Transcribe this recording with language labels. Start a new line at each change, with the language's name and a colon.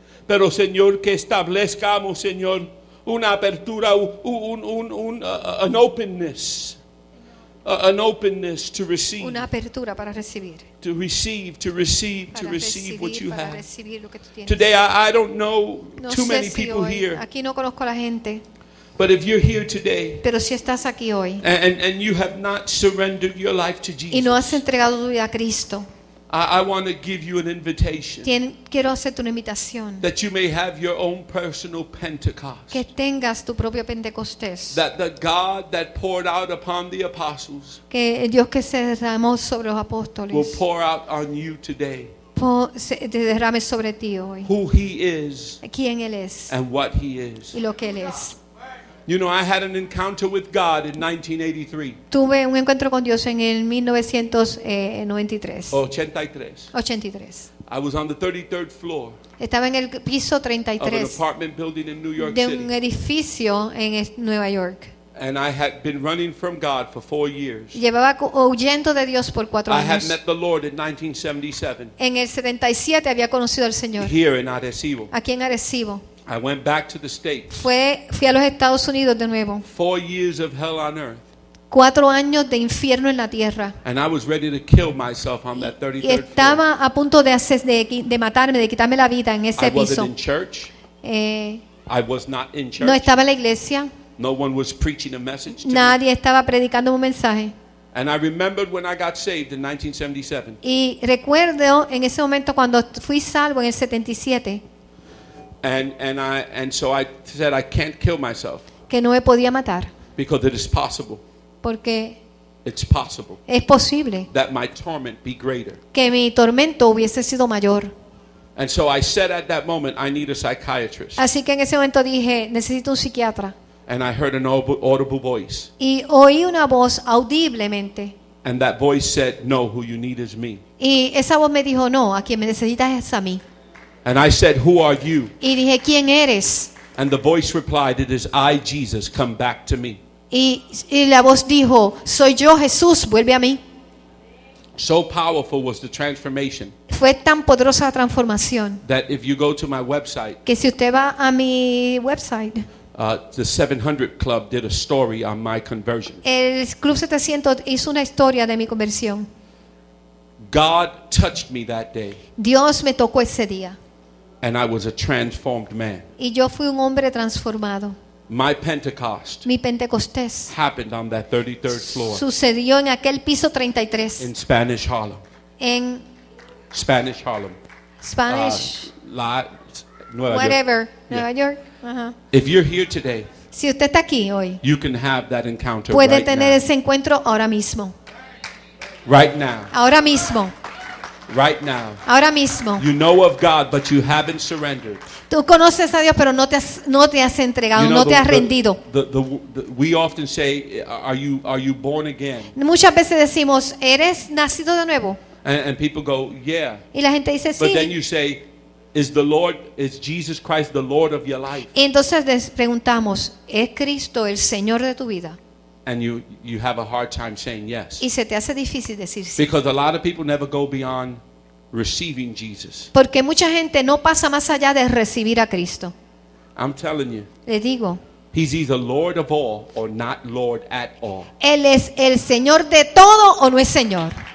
Spanish: Pero Señor, que establezcamos, Señor, una apertura,
English: an openness. An openness to receive.
Spanish: Una apertura para recibir.
English: To receive, to receive,
Spanish: para
English: to receive
Spanish: recibir,
English: what you
Spanish: para
English: have.
Spanish: Recibir lo que tú tienes.
English: Today I don't know
Spanish: no
English: too
Spanish: sé
English: many
Spanish: si
English: people
Spanish: hoy,
English: here.
Spanish: Aquí no conozco a la gente.
English: But if you're here today,
Spanish: pero si estás aquí hoy,
English: and you have not surrendered your life to Jesus,
Spanish: y no has entregado tu vida a Cristo,
English: I want to give you an invitation.
Spanish: Quiero hacerte una invitación.
English: That you may have your own personal Pentecost.
Spanish: Que tengas tu propio Pentecostés.
English: That the God that poured out upon the apostles.
Spanish: Que el Dios que se derramó sobre los apóstoles.
English: Will pour out on you today.
Spanish: Se derrame sobre ti hoy.
English: Who he is.
Spanish: Quién él es.
English: And what he is.
Spanish: Y lo que él es.
English: You know, I had an encounter with God in 1983.
Spanish: Tuve un encuentro con Dios en el 1993.
English: 83. I was on the 33rd floor.
Spanish: Estaba en el piso 33.
English: Of an apartment building in New York
Spanish: de
English: City.
Spanish: De un edificio en Nueva York.
English: And I had been running from God for 4 years.
Spanish: Llevaba huyendo de Dios por 4 años.
English: I had met the Lord in 1977.
Spanish: En el 77 había conocido al Señor.
English: Here in Arecibo.
Spanish: Aquí en Arecibo.
English: I went back to the States.
Spanish: Fui a los Estados Unidos de nuevo.
English: 4 years of hell on earth.
Spanish: 4 años de infierno en la tierra.
English: And I was ready to kill myself on that 33rd floor.
Spanish: Estaba a punto de matarme, de quitarme la vida en ese piso.
English: I wasn't in church. I was not in church.
Spanish: No estaba en la iglesia.
English: No one was preaching a message to me.
Spanish: Nadie estaba predicando un mensaje.
English: And I remembered when I got saved in 1977.
Spanish: Y recuerdo en ese momento cuando fui salvo en el 77.
English: And so I said I can't kill myself.
Spanish: Que no me podía matar.
English: Because it is possible.
Spanish: Porque
English: it's possible.
Spanish: Es posible.
English: That my torment be greater.
Spanish: Que mi tormento hubiese sido mayor.
English: And so I said at that moment I need a psychiatrist.
Spanish: Así que en ese momento dije, necesito un psiquiatra.
English: And I heard an audible voice.
Spanish: Y oí una voz audiblemente.
English: And that voice said, no, who you need is me.
Spanish: Y esa voz me dijo, no, a quien me necesitas es a mí.
English: And I said, who are you?
Spanish: Y dije, ¿quién eres?
English: And the voice replied, it is I, Jesus, come back to me.
Spanish: Y la voz dijo, soy yo, Jesús, vuelve a mí.
English: So powerful was the transformation.
Spanish: Fue tan poderosa la transformación.
English: That if you go to my website.
Spanish: Que si usted va a mi website.
English: The 700 Club did a story on my conversion.
Spanish: El Club 700 hizo una historia de mi conversión.
English: God touched me that day.
Spanish: Dios me tocó ese día.
English: And I was a transformed man.
Spanish: Y yo fui un hombre transformado.
English: My Pentecost.
Spanish: Mi Pentecostés.
English: Happened on that 33rd floor.
Spanish: Sucedió en aquel piso 33.
English: In Spanish Harlem.
Spanish: En
English: Spanish Harlem. Spanish.
Spanish: Nueva
English: whatever.
Spanish: York. Nueva yeah. York. Uh-huh.
English: If you're here today.
Spanish: Si usted está aquí hoy.
English: You can have that encounter.
Spanish: Puede
English: right
Spanish: tener
English: now.
Spanish: Ese encuentro ahora mismo.
English: Right now.
Spanish: Ahora mismo.
English: Right now.
Spanish: Ahora mismo.
English: You know of God, but you haven't surrendered.
Spanish: Tú conoces a Dios, pero no te has entregado,
English: you know,
Spanish: no te has rendido.
English: We often say, are you born again?
Spanish: Muchas veces decimos, ¿eres nacido de nuevo?
English: And people go, yeah.
Spanish: Y la gente dice, sí.
English: But then you say, is Jesus Christ the Lord of your life?
Spanish: Y entonces les preguntamos, ¿es Cristo el Señor de tu vida?
English: And you have a hard time saying yes.
Spanish: Y se te hace difícil decir sí.
English: Because a lot of people never go beyond receiving Jesus.
Spanish: Porque mucha gente no pasa más allá de recibir a Cristo.
English: I'm telling you.
Spanish: Le digo.
English: He's either Lord of all or not Lord at all.
Spanish: Él es el Señor de todo o no es Señor.